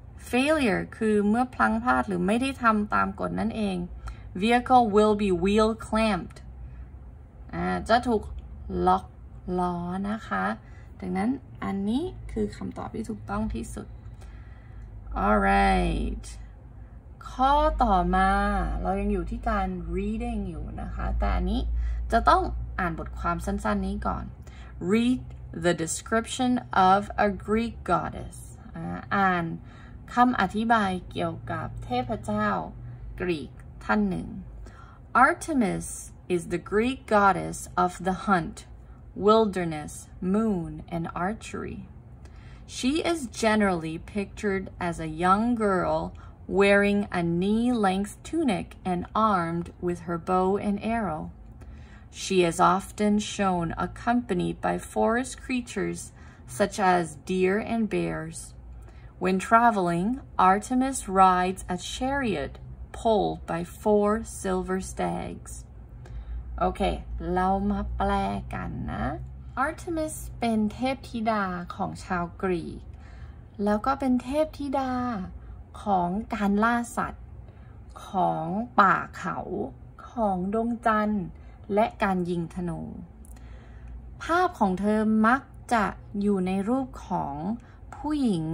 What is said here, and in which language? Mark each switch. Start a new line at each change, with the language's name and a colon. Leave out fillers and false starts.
Thai: failure คือเมื่อพลั้งพลาดหรือไม่ได้ทำตามกฎนั่นเอง
English: vehicle will be wheel clamped
Thai: จะถูกล็อกล้อนะคะดังนั้นอันนี้คือคำตอบที่ถูกต้องที่สุด alright ข้อต่อมาเรายังอยู่ที่การ reading อยู่นะคะแต่อันนี้จะต้องอ่านบทความสั้นๆนี้ก่อน
English: readThe description of a Greek goddess.
Thai: อ่านคำอธิบายเกี่ยวกับเทพเจ้ากรีกท่านหนึ่ง
English: Artemis is the Greek goddess of the hunt, wilderness, moon, and archery. She is generally pictured as a young girl wearing a knee-length tunic and armed with her bow and arrow. She is often shown accompanied by forest creatures such as deer and bears. When traveling, Artemis rides a chariot pulled by 4 silver stags.
Thai: Okay, เรามาแปลกันนะ Artemis เป็นเทพธิดาของชาวกรีกแล้วก็เป็นเทพธิดาของการล่าสัตว์ของป่าเขาของดวงจันทร์และการยิงธนูภาพของเธอมักจะอยู่ในรูปของผู้ห